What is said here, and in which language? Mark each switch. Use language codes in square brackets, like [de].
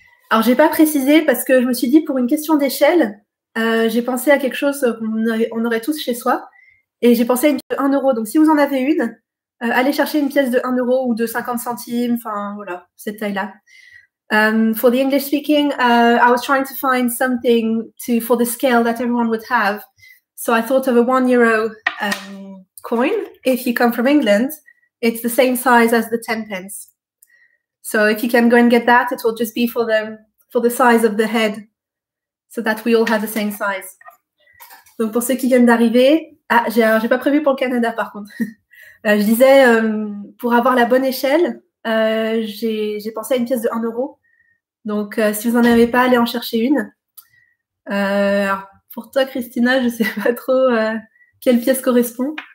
[fr] Alors, je n'ai pas précisé parce que je me suis dit pour une question d'échelle. J'ai pensé à quelque chose qu'on aurait tous chez soi et j'ai pensé à une pièce de 1 euro. Donc, si vous en avez une, allez chercher une pièce de 1 euro ou de 50 centimes, enfin, voilà, cette taille-là. [en] For the English speaking, I was trying to find something for the scale that everyone would have. So, I thought of a 1 euro coin. If you come from England, it's the same size as the 10 pence. So, if you can go and get that, it will just be for the size of the head. So that we all have the same size. [fr] Donc, pour ceux qui viennent d'arriver... Ah, j'ai pas prévu pour le Canada, par contre. Je disais, pour avoir la bonne échelle, j'ai pensé à une pièce de 1 euro. Donc, si vous n'en avez pas, allez en chercher une. Alors, pour toi, Christina, je sais pas trop quelle pièce correspond.